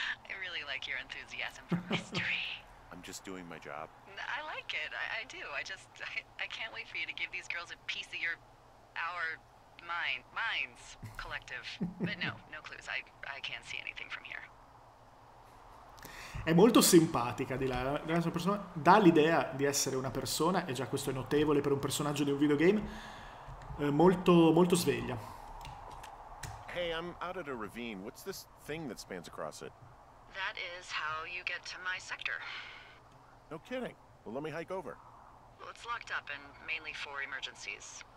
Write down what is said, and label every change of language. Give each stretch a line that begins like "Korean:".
English: I really like your enthusiasm for mystery. I'm just doing my job. I like it. I do. I can't wait for you to give these girls a piece of our minds collective. But no clues. I can't see anything from here.
Italian: È molto simpatica di là, dà l'idea di essere una persona, e già questo è notevole per un personaggio di un videogame, molto molto sveglia.
English: Hey, I'm out at a ravine. What's this thing that spans across it? That is how you get to my sector. No kidding. Well, let me hike over. Well, it's locked up and mainly for emergencies.